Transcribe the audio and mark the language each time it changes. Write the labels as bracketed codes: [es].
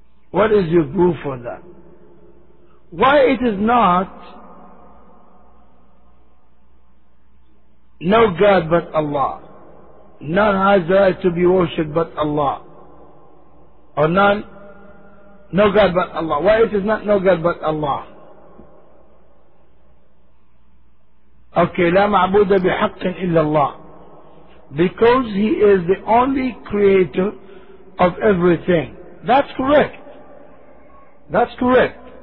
[en] What is your proof for that? Why it is not no God but Allah? None has the right to be worshipped but Allah. Or none? No God but Allah. Why it is not no God but Allah? [ar] Okay, لا معبود بحق إلا الله. [en] Because He is the only creator of everything. That's correct. That's correct.